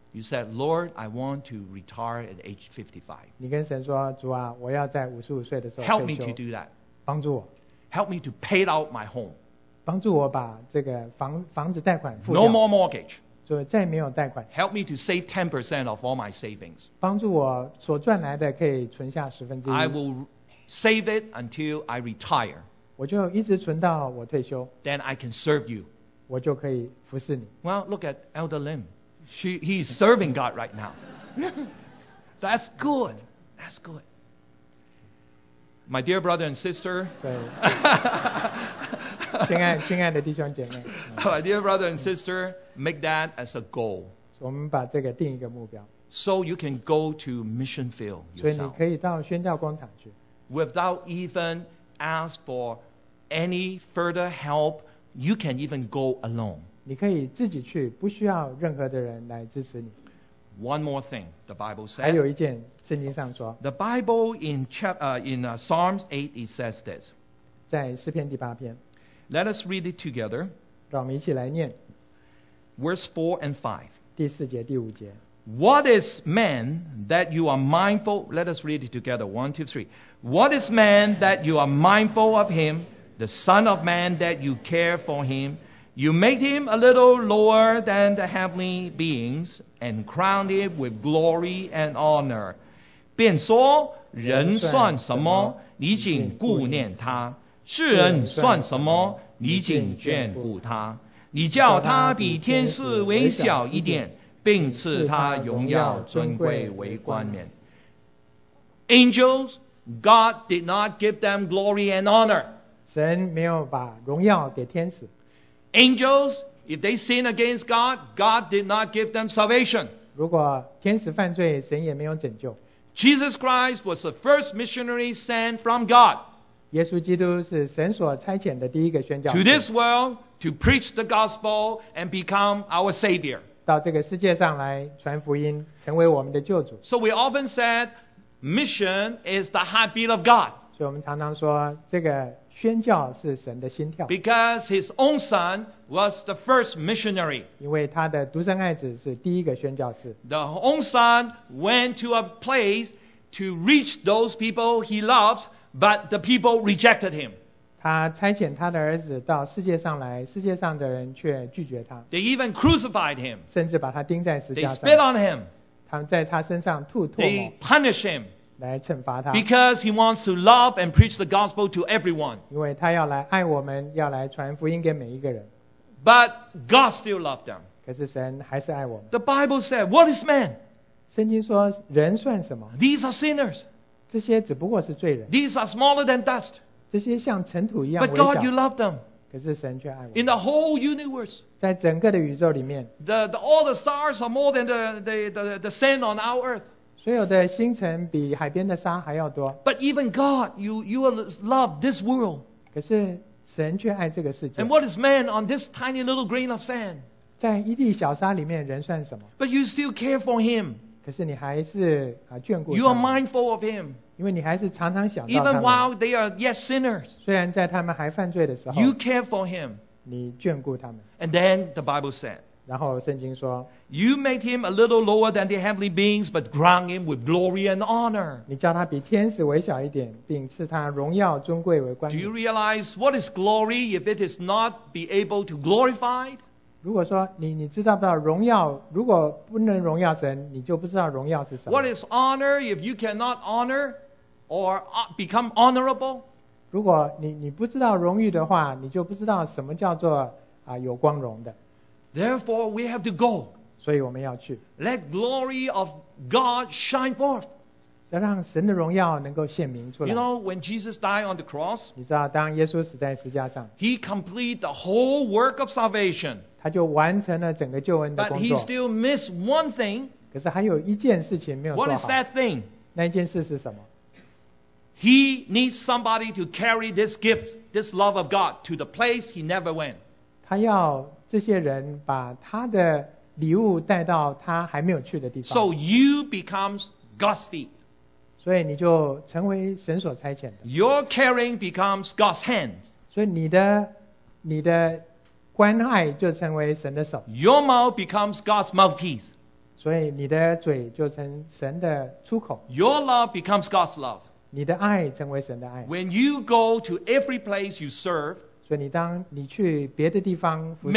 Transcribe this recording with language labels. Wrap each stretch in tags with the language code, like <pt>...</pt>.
<en>you said, Lord, I want to retire at age 55.</en> <zh>你跟神说, 主啊, 我要在55岁的时候,</zh> <en>help me to do that.</en> <zh>帮助我。</zh> <en>Help me to pay out my home.</en> <zh>帮助我把这个房子贷款付掉。</zh> <en>No more mortgage.</en> <zh>所以再也没有贷款。</zh> <en>Help me to save 10% of all my savings.</en> <zh>帮助我所赚来的可以存下十分之一。</zh> <en>I will save it until I retire.</en> <zh>我就一直存到我退休。</zh> <en>Then I can serve you.</en> <zh>我就可以服侍你。</zh> <en>Well, look at Elder Lim. He is serving God right now. That's good. That's good. My dear brother and sister.</en> <zh>亲爱的弟兄姐妹。</zh> <en>My dear brother and sister, make that as a goal.</en> <zh>我们把这个定一个目标。</zh> <en>So you can go to mission field yourself.</en> <zh>所以你可以到宣教工厂去。</zh> <en>Without even ask for any further help, you can even go alone.</en> <zh>你可以自己去，不需要任何的人来支持你。</zh> <en>One more thing, the Bible says.</en> <zh>还有一件圣经上说。</zh> <en>The Bible in Psalms 8, it says this.</en> <zh>在诗篇第八篇。</zh> <en>Let us read it together.</en> <zh>让我们一起来念。</zh> <en>Verse 4 and 5.</en> <zh>第四节，第五节。</zh> <en>What is man that you are mindful? Let us read it together. 1, 2, 3. What is man that you are mindful of him? The son of man that you care for him? You made him a little lower than the heavenly beings and crowned him with glory and honor.</en> <zh>便说人算什么？你竟顾念他。世人算什么？你竟眷顾他。你叫他比天使微小一点，并赐他荣耀尊贵为冠冕。</zh> <en>Angels, God did not give them glory and honor.</en> <zh>神没有把荣耀给天使。</zh> <en>Angels, if they sin against God, God did not give them salvation.</en> <zh>如果天使犯罪，神也没有拯救。</zh> <en>Jesus Christ was the first missionary sent from God.</en> <zh>耶稣基督是神所差遣的第一个宣教</zh> <en>士。 To this world, to preach the gospel and become our savior.</en> <zh>到这个世界上来传福音，成为我们的救主。</zh> <en>So we often said, mission is the heartbeat of God.</en> <zh>所以我们常常说，这个宣教是神的心跳。</zh> <en>Because his own son was the first missionary.</en> <zh>因为他的独生爱子是第一个宣教士。</zh> <en>The own son went to a place to reach those people he loved, but the people rejected him.</en> <zh>他差遣他的儿子到世界上来，世界上的人却拒绝他。</zh> <en>They even crucified him.</en> <zh>甚至把他钉在十字架上。</zh> <en>They spit on him.</en> <zh>他们在他身上吐唾沫。</zh> <en>They punish him.</en> <zh>来惩罚他。</zh> <en>Because he wants to love and preach the gospel to everyone.</en> <zh>因为他要来爱我们，要来传福音给每一个人。</zh> <en>But God still loved them.</en> <zh>可是神还是爱我们。</zh> <en>The Bible said, "What is man?"</en> <zh>圣经说人算什么</zh> <en>？These are sinners.</en> <zh>这些只不过是罪人。</zh> <en>These are smaller than dust.</en> <zh>这些像尘土一样微小。</zh> <en>But God, you love them.</en> <zh>可是神却爱我。</zh> <en>In the whole universe,</en> <zh>在整个的宇宙里面</zh> <en>all the stars are more than the sand on our earth.</en> <zh>所有的星辰比海边的沙还要多。</zh> <en>But even God, you love this world.</en> <zh>可是神却爱这个世界。</zh> <en>And what is man on this tiny little grain of sand?</en> <zh>在一粒小沙里面，人算什么</zh> <en>？But you still care for him.</en> <zh>可是你还是眷顾他。</zh> <en>You are mindful of him.</en> <zh>因为你还是常常想到他们。</zh> <en>Even while they are yet sinners,</en> <zh>虽然在他们还犯罪的时候</zh> <en>，you care for him,</en> <zh>你眷顾他们。</zh> <en>And then the Bible said,</en> <zh>然后圣经说</zh> <en>，you made him a little lower than the heavenly beings, but crowned him with glory and honor.</en> <zh>你叫他比天使微小一点，并赐他荣耀尊贵为冠冕。</zh> <en>Do you realize what is glory if it is not be able to glorify?</en> <zh>如果说你知道不到荣耀，如果不能荣耀神，你就不知道荣耀是什么。</zh> <en>What is honor if you cannot honor? Or become honorable?</en> <zh>如果你不知道荣誉的话，你就不知道什么叫做有光荣的。</zh> <en>Therefore, we have to go.</en> <zh>所以我们要去。</zh> <en>Let glory of God shine forth.</en> <zh>要让神的荣耀能够显明出来。</zh> <en>You know, when Jesus died on the cross,</en> <zh>你知道当耶稣死在十字架上</zh> <en>，He complete the whole work of salvation.</en> <zh>他就完成了整个救恩的工作。</zh> <en>But he still missed one thing.</en> <zh>可是还有一件事情没有做好。</zh> <en>What is that thing?</en> <zh>那一件事是什么？</zh> <en>He needs somebody to carry this gift, this love of God, to the place he never went.</en> <zh>他要这些人把他的礼物带到他还没有去的地方。</zh> <en>So you become God's feet.</en> <zh>所以你就成为神所差遣的。</zh> <en>Your caring becomes God's hands.</en> <zh>所以你的关爱就成为神的手。</zh> <en>Your mouth becomes God's mouthpiece.</en> <zh>所以你的嘴就成神的出口。</zh> <en>Your love becomes God's love.</en> <zh>你的爱成为神的爱。</zh> <en>When you go to every place you serve,</en> <zh>所以你当你去别的地方服侍</zh>